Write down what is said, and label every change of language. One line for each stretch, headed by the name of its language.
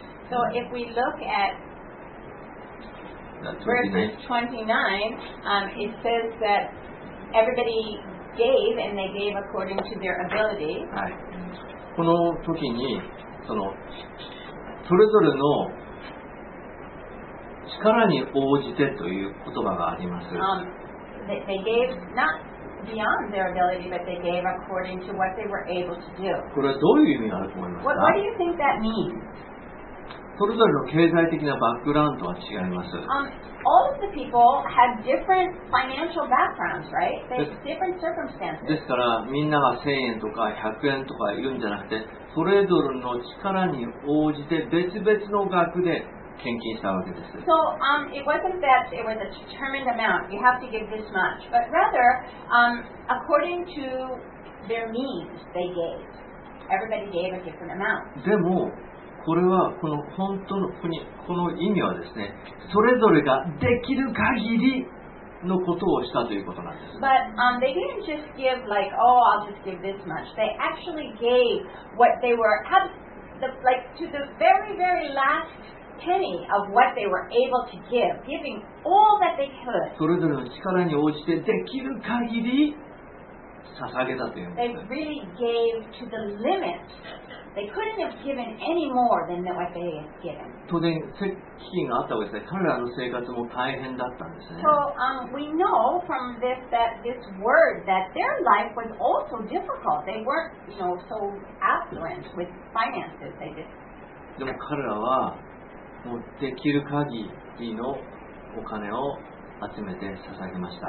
English: So if we look at verses 29, it says that everybody gave and they gave according to their ability.
Japanese: はい。この時に、それぞれの力に応じてという言葉があります。
English: They gave not beyond their ability, but they gave according to what they were able to do.
Japanese: これはどういう意味があると思いますか？
English: What do you think that means?
Japanese: それぞれの経済的なバックグラウンドは違います。
English: All of the people had different financial backgrounds, right? They had different circumstances.
Japanese: ですから、みんなが1000円とか100円とか言うんじゃなくて、それぞれの力に応じて別々の額で献金したわけです。
English: So, it wasn't that it was a determined amount. You have to give this much. But rather, according to their needs, they gave. Everybody gave a different amount.
Japanese: でも、これはこの本当のこの意味はですね、それぞれができる限りのことをしたということなんです。
English: But, they didn't just give like, oh, I'll just give this much. They actually gave what they were, like, to the very, very last. Penny of what they were able to give, giving all that they could.
Japanese: それぞれの力に応じてできる限り捧げたというんです。
English: They really gave to the limit. They couldn't have given any more than what they had given.
Japanese: 当然、飢饉があったわけですね。彼らの生活も大変だったんですね。
English: So, we know from this that this word that their life was also difficult. They weren't, you know, so affluent with finances. They just.
Japanese: でも彼らはもうできる限りのお金を集めて捧げました。